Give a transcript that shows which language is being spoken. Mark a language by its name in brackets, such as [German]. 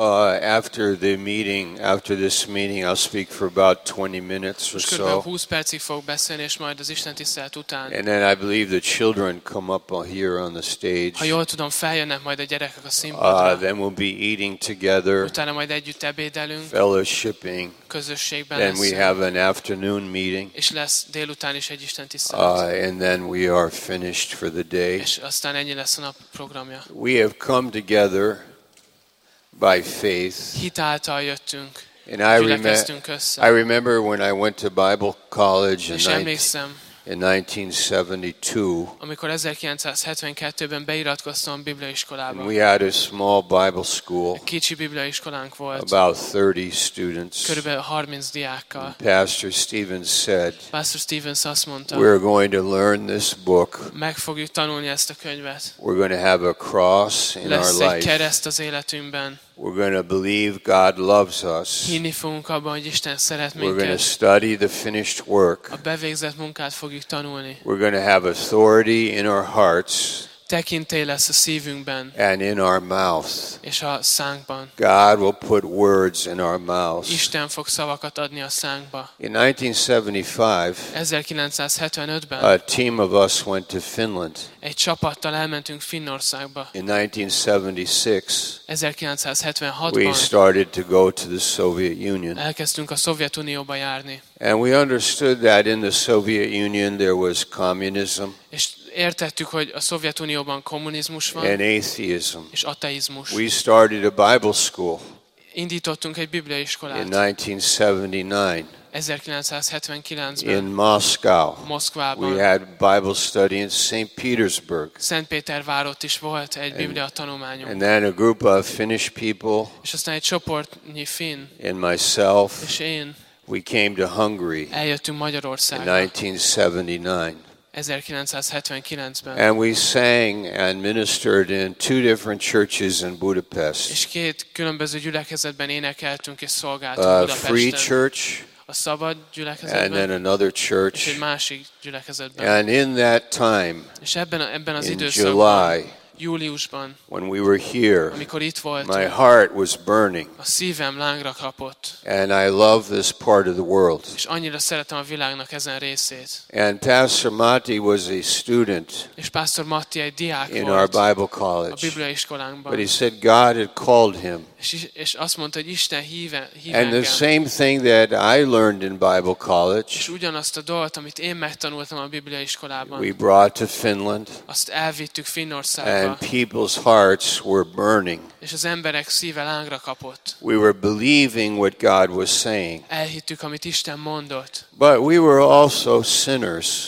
[English] After the meeting, after this meeting, I'll speak for about 20 minutes or so. [Hungarian] Most körülbelül 20 percig fog beszélni, és majd az istentisztelet után. [English] And then I believe the children come up here on the stage. [Hungarian] Ha jól tudom, feljönnek majd a gyerekek a színpadra. [English] Then we'll be eating together. [Hungarian] Utána majd együtt ebédelünk. [English] Fellowshipping. [Hungarian] Közösségben [English] then [Hungarian] lesz. [English] We have an afternoon meeting. [Hungarian] És lesz délután is egy istentisztelet. [English] And then we are finished for the day. [Hungarian] És aztán ennyi lesz a nap programja. [English] We have come together by faith. [Hungarian] Hitáltal jöttünk. [English] And I remember when I went to Bible college in 1972. [Hungarian] Amikor 1972-ben beiratkoztam a bibliaiskolába. [English] We had a small Bible school. [Hungarian] Kicsi bibliaiskolánk volt. [English] About 30 students. [Hungarian] Körülbelül 30 diákkal. [English] Pastor Stevens said. [Hungarian] Pastor Stevens azt mondta. [English] We're going to learn this book. [Hungarian] Meg fogjuk tanulni ezt a könyvet. [English] We're going to have a cross in our life. [Hungarian] Lesz egy kereszt az életünkben. [English] We're going to believe God loves us. [Hungarian] Hinni fogunk abban, hogy Isten szeret minket. [English] We're going to study the finished work. [Hungarian] A bevégzett munkát fogjuk tanulni. [English] We're going to have authority in our hearts. [Hungarian] Tekintély lesz a szívünkben. [English] And in our mouth. [Hungarian] És a szánkban. [English] God will put words in our mouth. [Hungarian] Isten fog szavakat adni a szánkba. [English] In 1975, a team of us went to Finland. [Hungarian] Egy csapattal elmentünk Finnországba. [English] In 1976, we started to go to the Soviet Union. [Hungarian] Elkezdtünk a Szovjetunióba járni. [English] And we understood that in the Soviet Union there was communism. [Hungarian] És értettük, hogy a Szovjetunióban kommunizmus van. [English] And atheism. [Hungarian] És ateizmus. [English] We started a Bible school. [Hungarian] Indítottunk egy bibliaiskolát. [English] In 1979. [Hungarian] 1979-ben [English] in Moscow. [Hungarian] Moszkvában. [English] We had Bible study in St. Petersburg. [Hungarian] Szentpétervárott is volt egy biblia tanulmányunk. [English] And then a group of Finnish people. [Hungarian] És aztán egy csoportnyi finn. [English] And myself. [Hungarian] És én. [English] We came to Hungary. [Hungarian] Eljöttünk Magyarországra. [English] In 1979. [Hungarian] 1979-ben. [English] And we sang and ministered in two different churches in Budapest. [Hungarian] És két különböző gyülekezetben énekeltünk és szolgáltunk Budapesten. [English] A free church. [Hungarian] A szabad gyülekezetben. [English] And then another church. [Hungarian] És egy másik gyülekezetben. [English] And in that time. [Hungarian] És ebben az időszakban. [English] July. [Hungarian] Júliusban. [English] When we were here. [Hungarian] Amikor itt voltunk. [English] My heart was burning. [Hungarian] A szívem lángra kapott. [English] And I love this part of the world. [Hungarian] És annyira szeretem a világnak ezen részét. [English] And Pastor Matti was a student. [Hungarian] És Pastor Matti egy diák [English] in our Bible college. [Hungarian] A bibliaiskolánkban. [English] But he said God had called him. [Hungarian] És azt mondta, hogy Isten hív engem. [English] And the same thing that I learned in Bible college. [Hungarian] És ugyanazt a dolgot, amit én megtanultam a bibliaiskolában. [English] We brought to Finland. [Hungarian] Azt elvittük Finnországba. [English] And people's hearts were burning. [Hungarian] És az emberek szíve lángra kapott. [English] We were believing what God was saying. [Hungarian] Elhittük, amit Isten mondott. [English] But we were also sinners.